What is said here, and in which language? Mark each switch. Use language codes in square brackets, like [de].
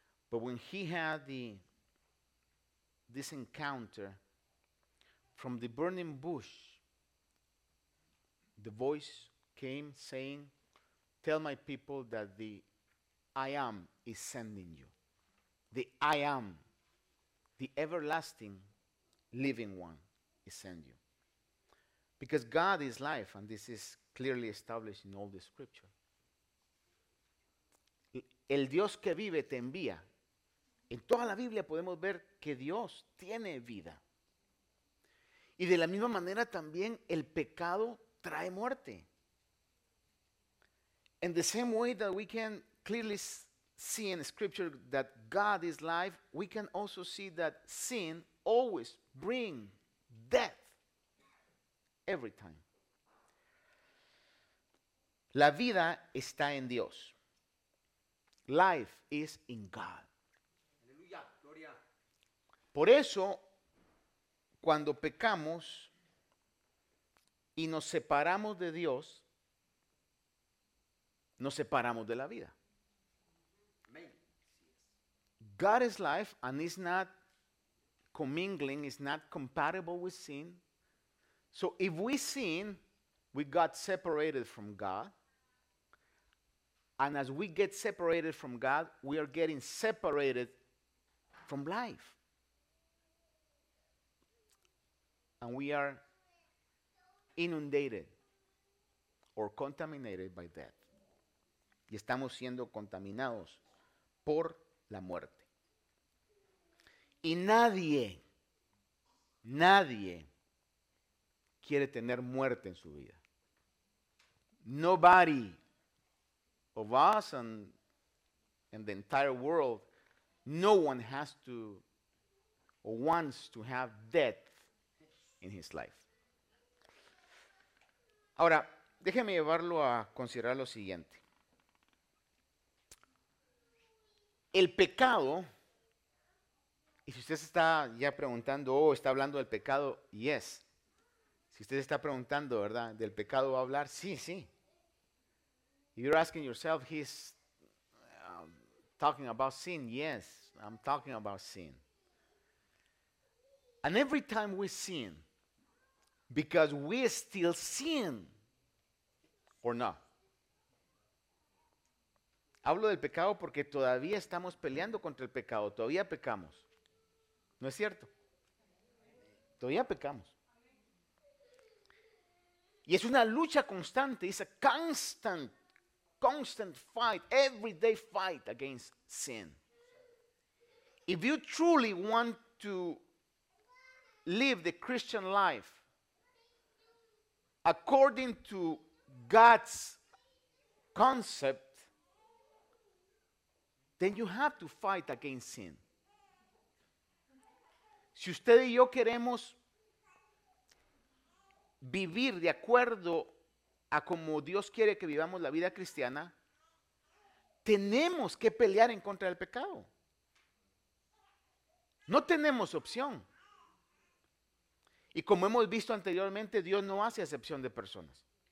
[en] But when he had this encounter from the burning bush, the voice came saying, "Tell my people that the I am is sending you. The I am, the everlasting living one, is sending you." Because God is life, and this is clearly established in all the scripture. [es] El Dios que vive te envía. En toda la Biblia podemos ver que Dios tiene vida. Y de la misma manera también el pecado trae muerte. [en] In the same way that we can clearly see in scripture that God is life, we can also see that sin always brings death. Every time. [es] La vida está en Dios. [en] Life is in God. [es] Aleluya, gloria. Por eso, cuando pecamos y nos separamos de Dios, nos separamos de la vida. Amen. [en] God is life and is not commingling, is not compatible with sin. So if we sin, we got separated from God. And as we get separated from God, we are getting separated from life. And we are inundated or contaminated by death. [es] Y estamos siendo contaminados por la muerte. Y nadie quiere tener muerte en su vida. [en] Nobody of us and the entire world, no one has to or wants to have death in his life. [es] Ahora, déjeme llevarlo a considerar lo siguiente. El pecado, y si usted se está ya preguntando, está hablando del pecado, [en] yes. [es] Si usted está preguntando, ¿verdad?, ¿del pecado va a hablar? Sí, sí. [en] You're asking yourself, he's talking about sin. Yes, I'm talking about sin. And every time we sin, because we still sin, or not. [es] Hablo del pecado porque todavía estamos peleando contra el pecado. Todavía pecamos. ¿No es cierto? Todavía pecamos. Y es una lucha constante. [en] It's a constant fight, everyday fight against sin. If you truly want to live the Christian life according to God's concept, then you have to fight against sin. [es] Si usted y yo queremos vivir de acuerdo a como Dios quiere que vivamos la vida cristiana, tenemos que pelear en contra del pecado. No tenemos opción. Y como hemos visto anteriormente, Dios no hace excepción de personas.